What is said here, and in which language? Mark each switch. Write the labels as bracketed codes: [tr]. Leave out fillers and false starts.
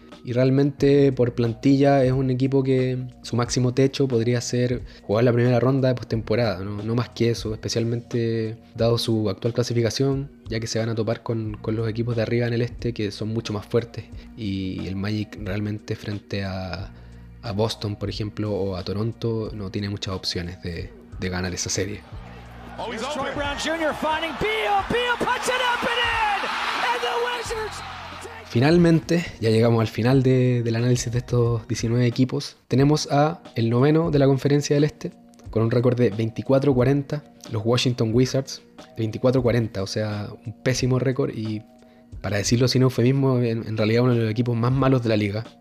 [es] Y realmente por plantilla es un equipo que su máximo techo podría ser jugar la primera ronda de postemporada, no más que eso, especialmente dado su actual clasificación, ya que se van a topar con los equipos de arriba en el este, que son mucho más fuertes, y el Magic realmente frente a Boston, por ejemplo, o a Toronto, no tiene muchas opciones de ganar esa serie. [en] Troy Brown Jr. finding Beal, Beal puts it up and in, and the Wizards. [es] finalmente, ya llegamos al final del análisis de estos 19 equipos. Tenemos a el noveno de la conferencia del Este, con un récord de 24-40, los Washington Wizards, 24-40, o sea, un pésimo récord y, para decirlo sin eufemismo, en realidad uno de los equipos más malos de la liga.